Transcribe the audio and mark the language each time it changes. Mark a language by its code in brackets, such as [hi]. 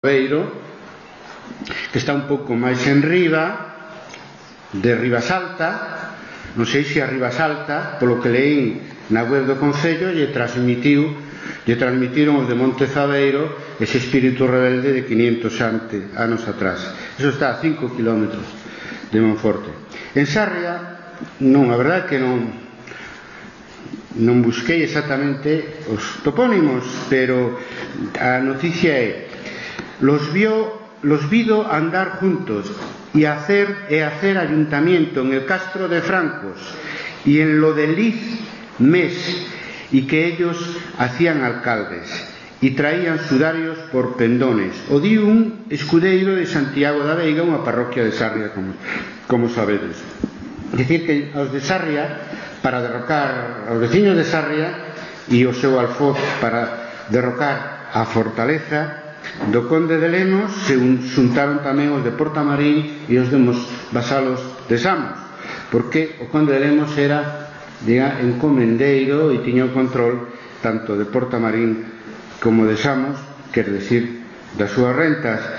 [gl] Aveiro, que está un pouco máis enriba de Rivas Alta, non sei se a Rivas Alta, polo que leí na web do concello, lle transmitiron os de Montezaveiro ese espírito rebelde de 500 anos atrás. Eso está a 5 km de Monforte. En Sarria, non, a verdade que non busquei exactamente os topónimos, pero a noticia é: [es] los vido andar juntos e hacer ayuntamiento en el Castro de Francos y en lo de Liz Mes, y que ellos hacían alcaldes y traían sudarios por pendones. [gl] O di un escudeiro de Santiago da Veiga, unha parroquia de Sarria, como sabedes. Decir que aos de Sarria, para derrocar aos veciños de Sarria e o seu alfoz para derrocar a fortaleza do conde de Lemos, se xuntaron tamén os de Portamarín e os demos vasalos de Samos, porque o conde de Lemos era, diga, encomendeiro e tiña o control tanto de Portamarín como de Samos, quer decir, das súas rentas.